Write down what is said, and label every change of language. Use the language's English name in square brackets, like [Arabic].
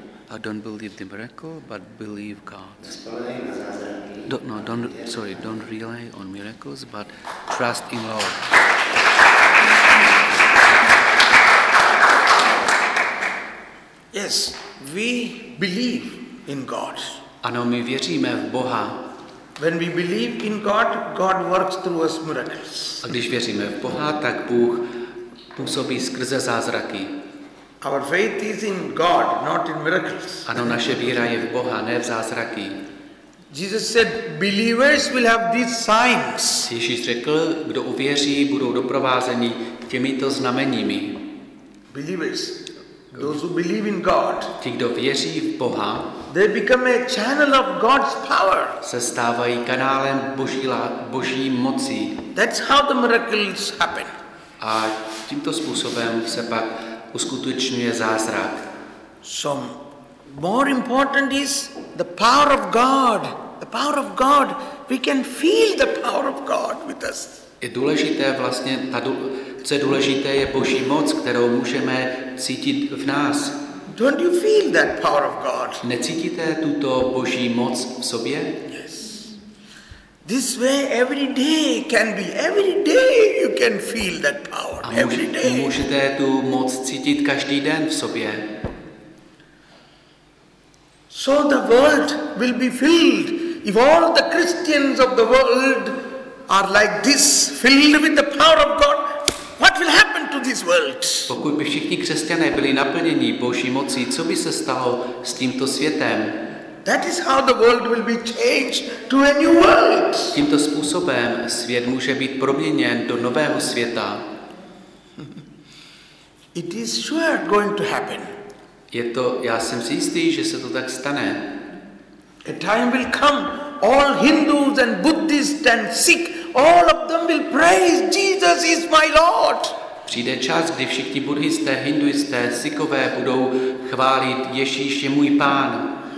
[English] I don't believe the miracle, but believe God. Don't rely on miracles, but trust in Lord. Yes, we believe in God. [Czech] Ano, my věříme v Boha. [English] When we believe in God, God works through us miracles. [Czech] A když věříme v Boha, tak Bůh působí skrze zázraky. [English] Our faith is in God, not in miracles. [Czech] Ano, naše víra je v Boha, ne v zázraky. [English] Jesus said, believers will have these signs. [Czech] Ježíš řekl, kdo uvěří, budou doprovázeni těmito znameními. [English] Believers, those who believe in God. [Czech] Ti, kdo věří v Boha, [English] they become a channel of God's power. [Czech] Se stávají kanálem Boží moci. [English] That's how the miracles happen. [Czech] A tímto způsobem se pak uskutečňuje zázrak. [English] So more important is the power of God. The power of God. We can feel the power of God with us. [Czech] Je důležité vlastně, co je důležité, je Boží moc, kterou můžeme cítit v nás. [English] Don't you feel that power of God? [Czech] Necítíte tuto Boží moc v sobě? [English] Yes. This way every day can be. Every day you can feel that power. Every day. [Czech] Můžete tu moc cítit každý den v sobě. [English] So the world will be filled if all the Christians of the world are like this, filled with the power of God. What will happen to this world? [Czech] Pokud by všichni křesťané byli naplněni Boží mocí, co by se stalo s tímto světem? [English] That is how the world will be changed to a new world. [Czech] Tímto způsobem svět může být proměněn do nového světa. [English] It is sure going to happen. [Czech] Je to, já jsem si jistý, že se to tak stane. [English] A time will come, all Hindus and Buddhists and Sikhs, all of them will praise Jesus is my Lord. [Czech] Přijde čas, kdy všichni buddhisté, hinduisté, sikové budou chválit Ježíš je můj pán.